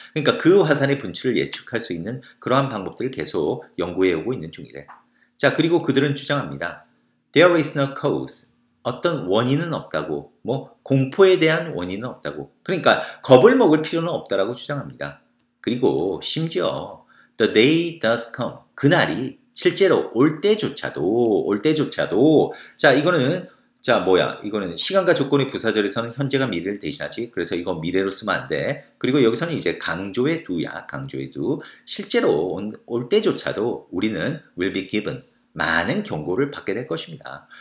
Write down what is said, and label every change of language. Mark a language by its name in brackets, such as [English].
[Korean] 그러니까 그 화산의 분출을 예측할 수 있는 그러한 방법들을 계속 연구해오고 있는 중이래. 자, 그리고 그들은 주장합니다. [English] There is no cause. [Korean] 어떤 원인은 없다고. 뭐 공포에 대한 원인은 없다고. 그러니까 겁을 먹을 필요는 없다라고 주장합니다. 그리고 심지어 [English] the day does come. [Korean] 그날이 실제로 올 때조차도. 자, 이거는 이거는 시간과 조건의 부사절에서는 현재가 미래를 대신하지. 그래서 이건 미래로 쓰면 안 돼. 그리고 여기서는 이제 강조의 두야, 강조의 두. 실제로 올 때조차도 우리는 [English] will be given, [Korean] 많은 경고를 받게 될 것입니다.